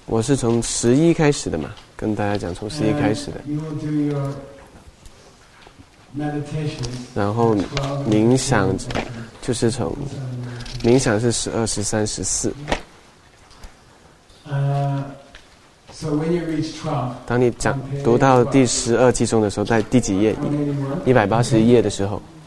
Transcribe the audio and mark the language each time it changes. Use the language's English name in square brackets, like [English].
[Chinese] 我是从十一开始的嘛，跟大家讲从十一开始的。 [English] And you will do your meditation, [Chinese] 然后冥想就是从冥想是12、13、14。 [English] So when you reach 12, [Chinese] 当你讲读到第十二偈颂的时候，在第几页？ 181页的时候。